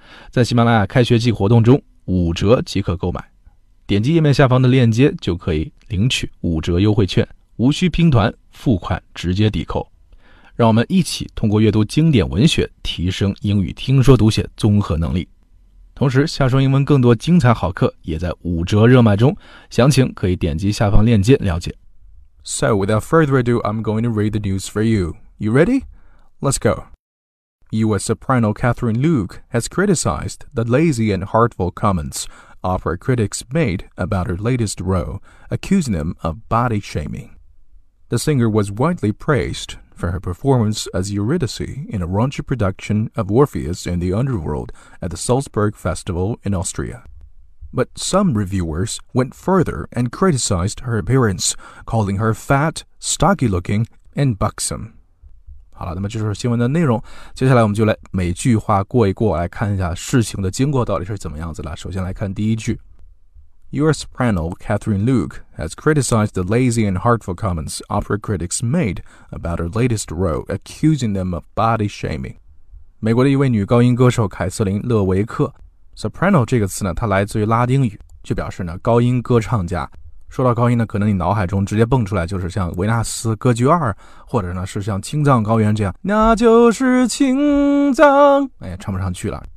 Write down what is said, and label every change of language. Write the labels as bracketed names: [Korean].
[Chinese] 在喜马拉雅开学季活动中，五折即可购买，点击页面下方的链接就可以领取五折优惠券，无需拼团，付款直接抵扣。让我们一起通过阅读经典文学提升英语听说读写综合能力。同时，夏说英文更多精彩好课也在五折热卖中，详情可以点击下方链接了解。 [English] So without further ado, I'm going to read the news for you. You ready? Let's go. U.S. soprano Catherine Luke has criticized the lazy and hurtful comments opera critics made about her latest role, accusing them of body shaming. The singer was widely praisedfor her performance as Eurydice in a raunchy production of Orpheus in the Underworld at the Salzburg Festival in Austria. But some reviewers went further and criticized her appearance, calling her fat, stocky-looking, and buxom. [Chinese] 好了，那么这就是新闻的内容。接下来我们就来每句话过一过，来看一下事情的经过到底是怎么样子了。首先来看第一句。 [English] Your soprano, Catherine Luke, has criticized the lazy and hurtful comments opera critics made about her latest role, accusing them of body shaming. [Chinese] 美国的一位女高音歌手凯瑟琳·勒维克 ,soprano 这个词呢，它来自于拉丁语，就表示呢高音歌唱家。说到高音呢，可能你脑海中直接蹦出来就是像维纳斯歌剧二，或者呢是像青藏高原这样，那就是青藏，哎，唱不上去了。